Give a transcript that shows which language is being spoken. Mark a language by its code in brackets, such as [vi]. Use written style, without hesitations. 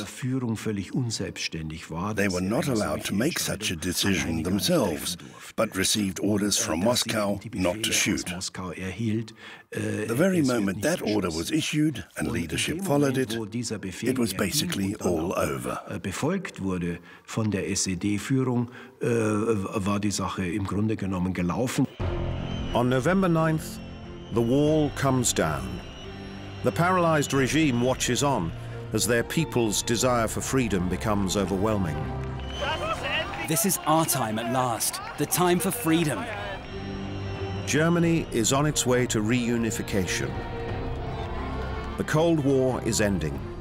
[en] They were not allowed to make such a decision themselves, but received orders from Moscow not to shoot. The very moment that order was issued and leadership followed it, it was basically all over. [de] Befolgt wurde von der SED-Führung, war die Sache im Grunde genommen gelaufen. [en] On November 9th, the wall comes down. The paralyzed regime watches on as their people's desire for freedom becomes overwhelming. This is our time at last, the time for freedom. Germany is on its way to reunification. The Cold War is ending.